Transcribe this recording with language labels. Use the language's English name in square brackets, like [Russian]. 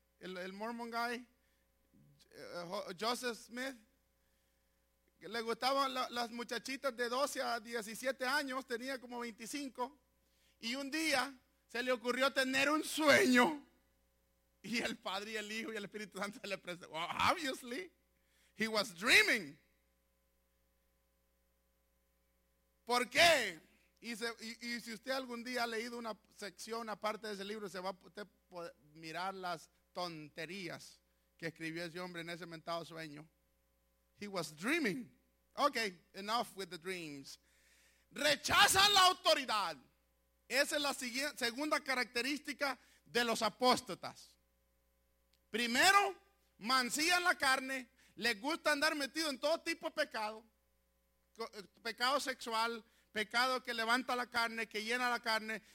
[English] El Mormon guy. Joseph Smith. [Spanish] Le gustaban las muchachitas de 12 a 17 años. Tenía como 25. Y un día se le ocurrió tener un sueño. Y el Padre y el Hijo y el Espíritu Santo le presentó. [English] Well, obviously, he was dreaming. [Spanish] ¿Por qué? Y si usted algún día ha leído una sección, una parte de ese libro, se va a usted mirar las tonterías que escribió ese hombre en ese mentado sueño. [English] He was dreaming. Okay, enough with the dreams. [Spanish] Rechazan la autoridad. Esa es la segunda característica de los apóstatas. Primero, mancillan la carne. Les gusta andar metido en todo tipo de pecado. Pecado sexual, pecado que levanta la carne, que llena la carne.